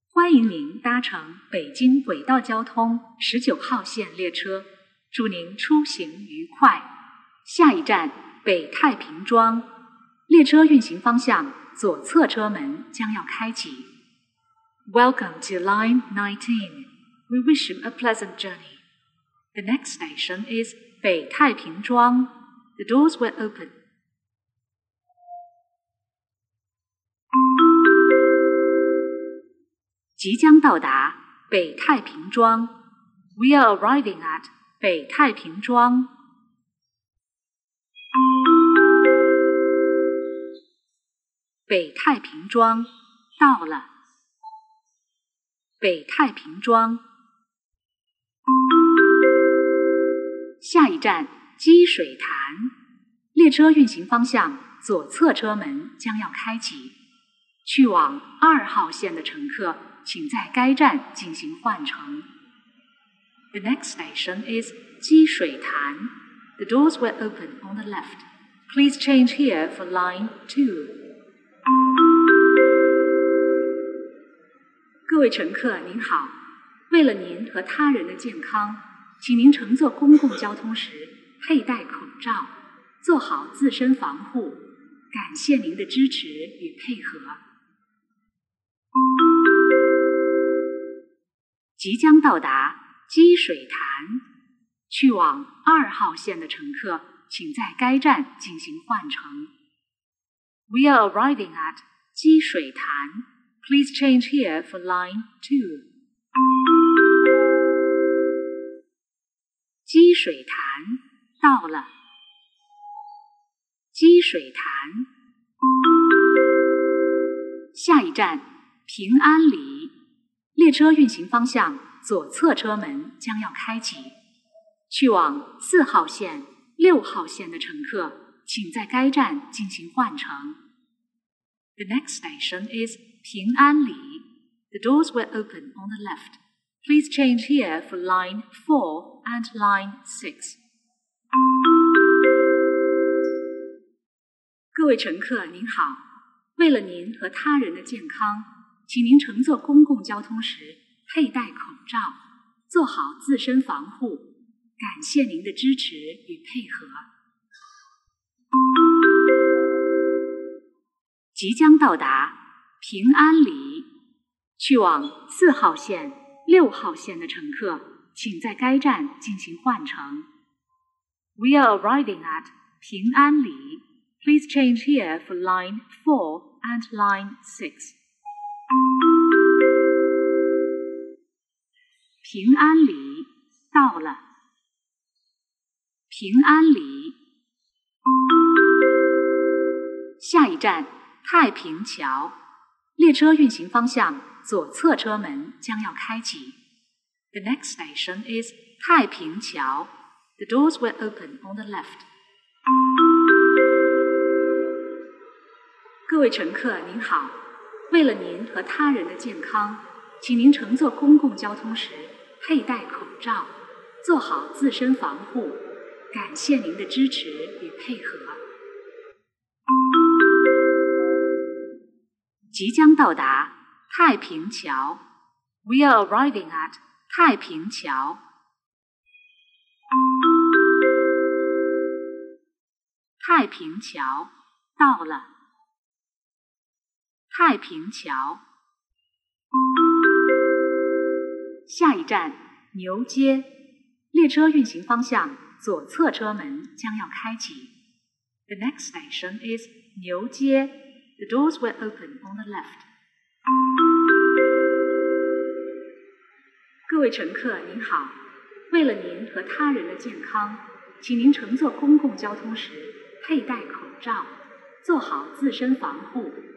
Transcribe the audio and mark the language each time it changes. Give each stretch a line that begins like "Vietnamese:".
Chinese: 迎您搭乘北京轨道交通19号线列车，祝您出行愉快。下一站北太平庄，列车运行方向左侧车门将要开启。
English: Welcome to Line 19. We wish you a pleasant journey. The next station is 北太平庄. The doors will open.
Chinese: 即将到达北太平庄。
English: We are arriving at 北太平庄。
Chinese: 北太平庄到了。北太平庄。下一站积水潭。列车运行方向左侧车门将要开启。去往2号线的乘客请在该站进行换乘。
English: The next station is 积水潭. The doors will open on the left. Please change here for line 2.
Chinese: 各位乘客您好，为了您和他人的健康，请您乘坐公共交通时佩戴口罩，做好自身防护。感谢您的支持与配合。即将到达积水潭，去往2号线的乘客请在该站进行换乘。
English: We are arriving at 积水潭. Please change here for line 2.
Chinese: 积水潭到了。积水潭。下一站平安里，列车运行方向左侧车门将要开启，去往4号线、6号线的乘客，请在该站进行换乘。
English: The next station is 平安里。 The doors will open on the left. Please change here for line 4 and line 6.
Chinese: 各位乘客您好，为了您和他人的健康，请您乘坐公共交通时佩戴口罩，做好自身防护。感谢您的支持与配合。即将到达平安里，去往4号线、6号线的乘客，请在该站进行换乘。
English: We are arriving at 平安里。 Please change here for line 4 and line 6.
Chinese: 平安里到了。平安里。下一站太平桥，列车运行方向左侧车门将要开启。
English: The next station is 太平桥. The doors will open on the left.
Chinese: 各位乘客您好，为了您和他人的健康，请您乘坐公共交通时佩戴口罩，做好自身防护。感谢您的支持与配合。即将到达太平桥。
English: We are arriving at 太平桥。
Chinese: 太平桥到了。太平桥。下一站牛街，列车运行方向左侧车门将要开启。
English: The next station is 牛街. The doors will open on the left.
Chinese: 各位乘客您好，为了您和他人的健康，请您乘坐公共交通时佩戴口罩，做好自身防护。